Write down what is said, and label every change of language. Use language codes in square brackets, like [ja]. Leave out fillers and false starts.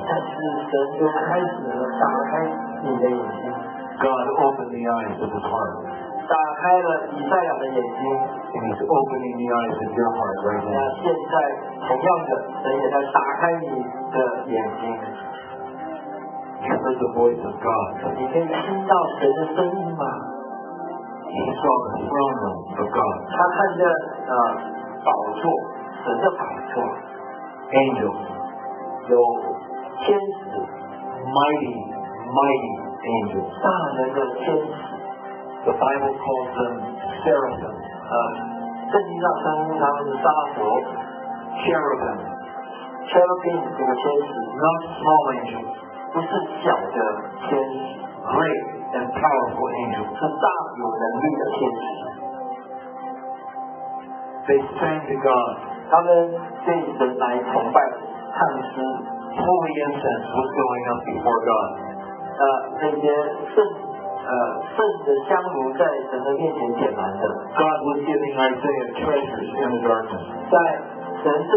[zh] 但是神就开始打开你的眼睛。 [en] God opened the eyes of his heart. [zh] 打开了以赛亚的眼睛, [en] and he's opening the eyes of your heart right now. [zh] 现在同样的神也在打开你的眼睛。 [en] You heard the voice of God. [zh] 你可以听到神的声音吗? [en] He saw the throne room of God. [zh] 他看着宝座, 神的宝座, [en] angels, [zh] 有天使, [en] mighty, mighty angels. [zh] 大能的天使, [en] the Bible calls them seraphim. [zh] 圣经上称呼他们是沙佛, [en] cherubim. [zh] Cherubim, 这个天使, [en] not small angels. [zh] 不是小的天使, [en] great and powerful angels. [zh] 是大有能力的天使. [en] They sang to God. [zh] 他们对神来崇拜, 唱诗. [en] Holy incense was going up before God. [zh] 那些圣的香炉在神的面前点燃的. [en] God was giving Isaiah treasures in the darkness.